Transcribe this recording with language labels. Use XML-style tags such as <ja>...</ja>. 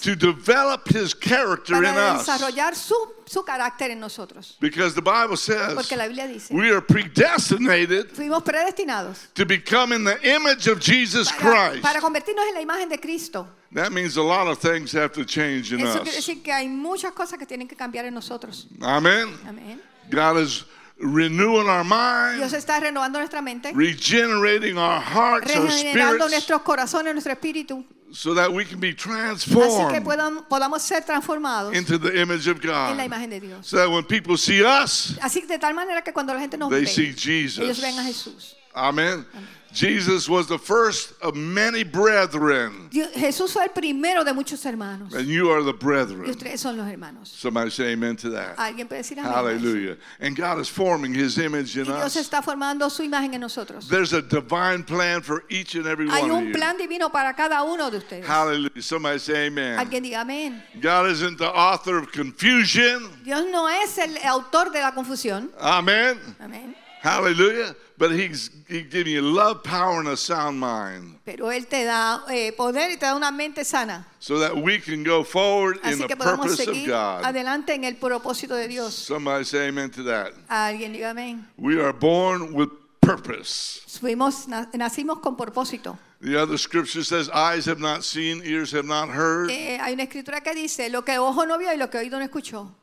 <en>to develop His character</en> <es>para</es> <en>in</en> <es>desarrollar</es> <en>us.</en> <es>Su carácter en nosotros.</es> <en>Because the Bible says,</en> <es>porque la Biblia dice,</es> <en>we are predestinated,</en> <es>fuimos predestinados,</es> <en>to become in the image of Jesus</en> <es>para,</es> <en>Christ.</en> <es>Para convertirnos en la imagen de Cristo.</es> <en>That means a lot of things have to change in</en> <es>eso</es> <en>us.</en> <es>Quiere decir que hay muchas cosas que tienen que cambiar en nosotros.</es> <en>Amen.</en> <es>Amen.</es> <en>God is renewing our mind.</en> <es>Dios está renovando nuestra mente.</es> <en>Regenerating our hearts,</en> <es>regenerando</es> <en>our spirits,</en> <es>nuestros corazones, nuestro espíritu.</es> <en>So that we can be transformed.</en> <es>Así que podamos ser transformados.</es> <en>Into the image of God.</en> <es>En la imagen de Dios.</es> <en>So that when people see us.</en> <es>Así de tal manera que cuando la gente nos</es> <en>they</en> <es>ve,</es> <en>see Jesus.</en> <es>Ellos ven a Jesús.</es> <en>Amen. Jesus was the first of many brethren.</en> <es>Jesús fue el primero de muchos hermanos.</es> <en>And you are the brethren.</en> <es>Y ustedes son los hermanos.</es> <en>Somebody say amen to that.</en> <es>Alguien puede decir amén.</es> <en>Hallelujah. And God is forming His image in</en> <es>y Dios</es> <en>us.</en> <es>Está formando su imagen en nosotros.</es> <en>There's a divine plan for each and every</en> <es>hay</es> <en>one of you.</en> <es>Hay un plan divino para cada uno de ustedes.</es> <en>Hallelujah. Somebody say amen.</en> <es>Alguien diga amén.</es> <en>God isn't the author of confusion.</en> <es>Dios no es el autor de la confusión.</es> <en>Amen.</en> <es>Amen.</es> <en>Hallelujah. But he gives you love, power, and a sound mind.</en> <es>Pero él te da poder y te da una mente sana.</es> <en>So that we can go forward</en> <es>así</es> <en>in the purpose of God.</en> <es>Adelante en el propósito de Dios.</es> <en>Somebody say amen to that.</en> <es>Alguien diga amén.</es> <en>We are born with purpose.</en> <es>Nacimos con propósito.</es> <en>The other scripture says, eyes have not seen, ears have not heard.</en> <es>Hay una escritura que dice, lo que ojo no vio y lo que oído no escuchó.</es>